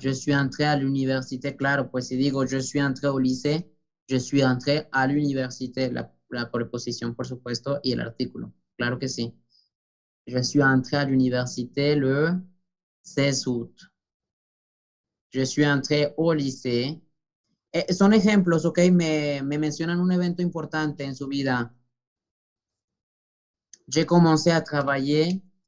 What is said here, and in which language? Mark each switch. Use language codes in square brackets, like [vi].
[fr] Je suis entré a l'université. [es] Claro, pues si digo [fr] je suis entré au lycée, je suis entré à l'université. [es] La preposición, por supuesto, y el artículo. Claro que sí. [fr] Je suis entré à l'université le 16 août. Je suis entré au lycée. [es] Son ejemplos, ¿ok? Me mencionan un evento importante en su vida. [fr] J'ai commencé a travailler.